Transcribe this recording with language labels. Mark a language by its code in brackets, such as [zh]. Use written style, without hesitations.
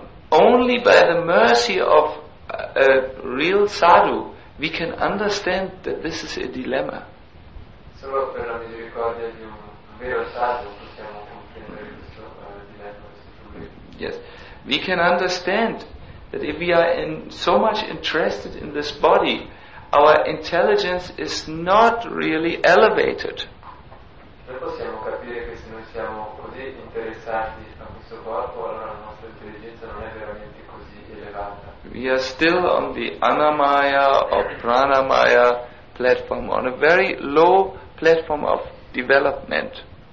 [en] Only by the mercy of a real sadhu we can understand that this is a dilemma. [it] Solo per la misericordia di un vero sadhu possiamo comprendere questo dilemma. [en] Yes, we can understand that if we are in so much interested in this body, our intelligence is not really elevated. [it] Noi possiamo capire che se noi siamo così interessati a questo corpo, allora la nostra intelligenza non è veramente così elevata. [en] We are still on the anamaya or pranamaya platform, on a very low platform of development.